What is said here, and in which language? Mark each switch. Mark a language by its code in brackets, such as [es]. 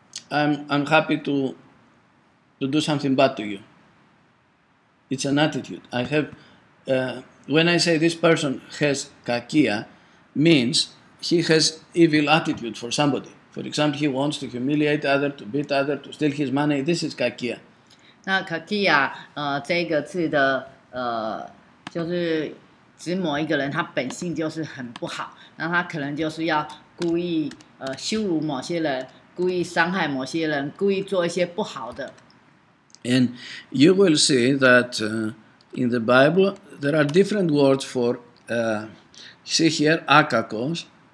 [en] I'm happy to do something bad to you. It's an attitude. I have when I say this person has kakia, means he has evil attitude for somebody. For example, he wants to humiliate other, to beat other, to steal his money. This is kakia. [zh] 那 kakia 这个字的就是指某一个人，他本性就是很不好，那他可能就是要故意羞辱某些人，故意伤害某些人，故意做一些不好的。 [en] And you will see that in the Bible there are different words for see here akakos.